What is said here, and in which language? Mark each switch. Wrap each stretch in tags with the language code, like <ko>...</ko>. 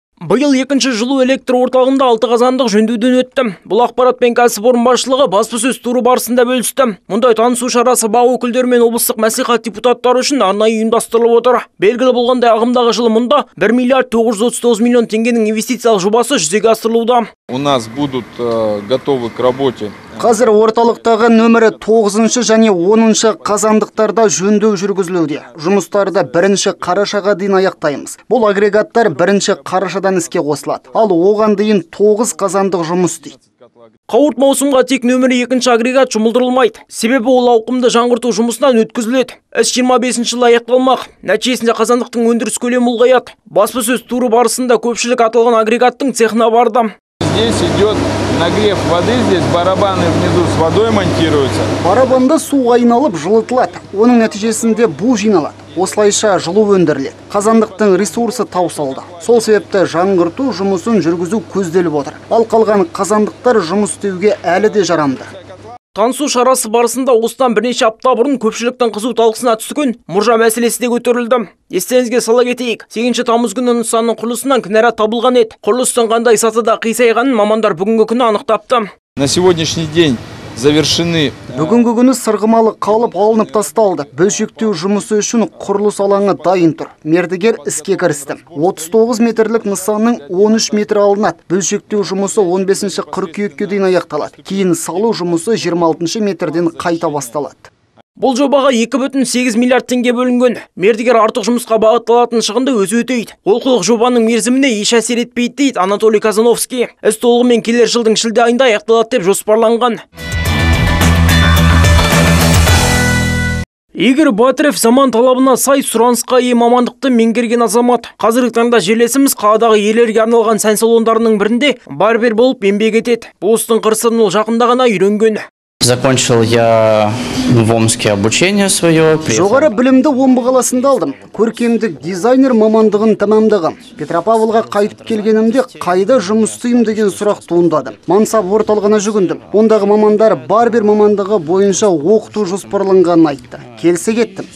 <kk>Биыл екінші жылу электр орталығында 6 қазандық жөндеуден өтті. Бұл ақпарат пен кәсіпорын басшылығы баспасөз туры барысында бөлісті. Мұндай танысу шарасы бақ өкілдері мен облыстық мәслихат депутаттары үшін арнайы ұйымдастырылып отыр. Белгілі болғандай ағымдағы жылы мұнда 1 миллиард 939 миллион теңгенің инвестициялық жобасы жүзеге асырылуда.</kk> <ru>У нас будут готовы к работе.</ru> <kk>Қазір орталықтағы нөмірі 9-шы және 10-шы қазандықтарда жөндеу жүргізілуде. Жұмыстарды 1-ші қарашаға дейін аяқтаймыз. Бұл агрегаттар 1-ші қарашадан іске қосылады. Ал оған дейін 9 қазандық жұмыс істейді. Қауырт маусымға тек нөмірі 2-ші агрегат жұмылдырылмайды. Себебі ол ауқымды жаңғырту жұмысынан өткізіледі. Іс 25-ші жылы аяқталмақ. Нәтижесінде қазандықтың өндіріс көлемі ұлғаяды. Баспасөз туры барысында көпшілік аталған агрегаттың цехына барды.</kk> <ru>Здесь идет нагрев воды, здесь барабаны внизу с водой монтируются.</ru> <kk>Барабанда су айналып жылытылады. Оның нәтижесінде бу жиналады. Осылайша жылу өндіріледі. Қазандықтың ресурсы таусылды. Сол себепті жаңғырту жұмысын жүргізу көзделіп отыр. Ал қалған қазандықтар жұмыс істеуге әлі де жарамды. Танысу шарасы барысында осыдан бірнеше апта бұрын көпшіліктің қызу талқысына түскен мұржа мәселесі де көтерілді. Естеріңізге сала кетейік, 8 тамыз күні нысанның құрылысынан кінәрат табылған еді. Құрылыстың қандай сатыда қисайғанын мамандар бүгінгі күні анықтапты.</kk> <ru>На сегодняшний день завершены.</ru> <kk>Бүгінгі күні сырғымалы қалып алынып тасталды. Бөлшектеу жұмысы үшін құрылыс алаңы дайын тұр. Мердігер іске кірісті. 39 метрлік нысанның 13 метр алынады. Бөлшектеу жұмысы 15-ші қыркүйекке дейін аяқталады. Кейін салу жұмысы 26-ші метрден қайта басталады. Бұл жобаға 2,8 миллиард теңге бөлінген. Мердігер артық жұмысқа бағытталатын шығынды өзі өтейді. Олқылық жобаның мерзіміне еш әсер етпейді дейді Анатолий Казановский. Іс толығымен келер жылдың шілде айында аяқталады деп жоспарланған. Игорь Батырев заман талабына сай сұранысқа ие мамандықты меңгерген азамат. Қазіргі таңда жерлесіміз қаладағы елерге арналған сән салондарының бірінде барбер болып еңбек етеді. Бұл істің қыр-сырын ол жақында ғана үйренген.</kk> <ru>Закончил я в Омске обучение свое.</ru> <kk>Жоғары білімді Омбы қаласында алдым. Көркемдік дизайнер мамандығын тәмамдағам. Петропавлға қайтып келгенімде қайда жұмыс істеймін деген сұрақ туындады. Мансап орталығына жүгіндім. Ондағы мамандар барбер мамандығы бойынша оқыту жоспарланғанын айтты. Келісе кеттім.</kk>